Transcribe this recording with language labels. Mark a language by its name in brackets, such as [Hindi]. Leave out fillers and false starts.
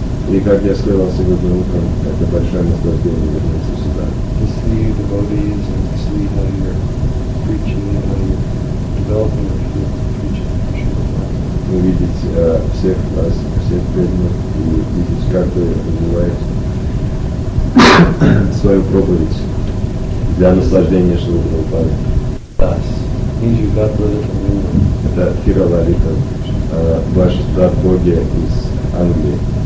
[Russian] И как я сказал сегодня утром, это большое наслаждение вернуться сюда. [English] To see the devotees and to see how you're preaching and how you're developing your field of preaching. [Russian] Увидеть всех вас, всех преданных, и видеть, как вы развиваете свою проповедь для наслаждения Шрилы Прабхупады. [English] Das. He's your God brother from England. [Russian] Это Хиралалита, ваш брат Боги из Англии.